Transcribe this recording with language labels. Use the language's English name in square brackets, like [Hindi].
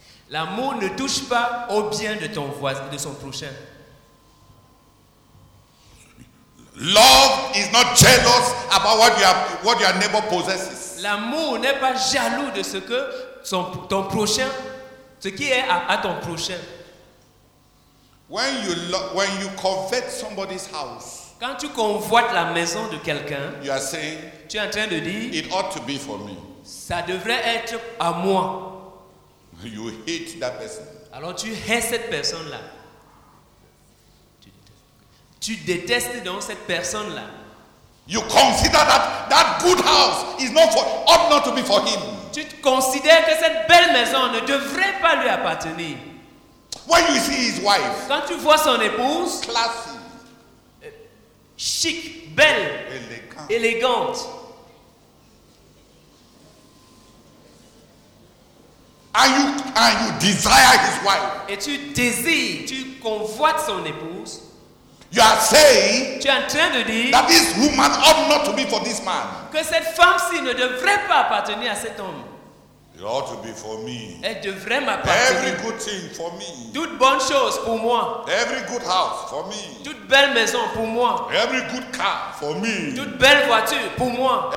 [French] L'amour ne touche pas au bien de ton voisin, de son prochain. [English] Love is not jealous about what your neighbor possesses. [French] L'amour n'est pas jaloux de ce que ton prochain, ce qui est à ton prochain. [English] When you covet somebody's house. [French] Quand tu convoites la maison de quelqu'un, [English] you are saying, [French] tu es en train de dire, [English] it ought to be for me. [French] Ça devrait être à moi. [English] You hate that person. [French] Alors tu hais cette personne-là. Tu détestes donc cette personne-là. [English] You consider that good house is not for, ought not to be for him. [French] Tu considères que cette belle maison ne devrait pas lui appartenir. [English] When you see his wife, [French] quand tu vois son épouse, [English] classy. [French] Chic, belle, élégante. [English] And you desire his wife. [French] Et tu désires, tu convoites son épouse. [English] You are saying, [French] tu es en train de dire, [English] that this woman ought not to be for this man. [French] Que cette femme-ci ne devrait pas appartenir à cet homme. [English] It ought to be for me. [French] Elle devrait m'appartenir. [English] Every good thing for me. [French] Toute bonne chose pour moi. [English] Every good house for me. [French] Toute belle maison pour moi. [English] Every good car for me. [French] Toute belle voiture pour moi.